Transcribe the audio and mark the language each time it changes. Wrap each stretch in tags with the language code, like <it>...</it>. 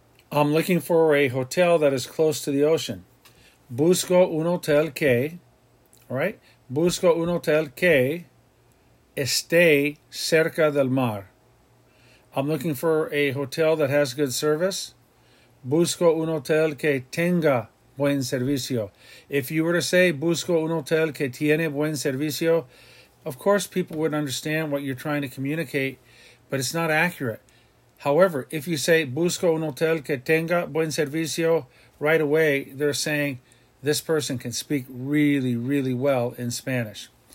<en>I'm looking for a hotel that is close to the ocean.</en> <es>Busco un hotel que.</es> <en>All right?</en> <es>Busco un hotel que esté cerca del mar.</es> <en>I'm looking for a hotel that has good service.</en> <es>Busco un hotel que tenga buen servicio.</es> <en>If you were to say,</en> <es>busco un hotel que tiene buen servicio,</es> <en>of course people would understand what you're trying to communicate, but it's not accurate. However, if you say,</en> <es>busco un hotel que tenga buen servicio,</es> <en>right away they're saying, this person can speak really, really well in Spanish.</en>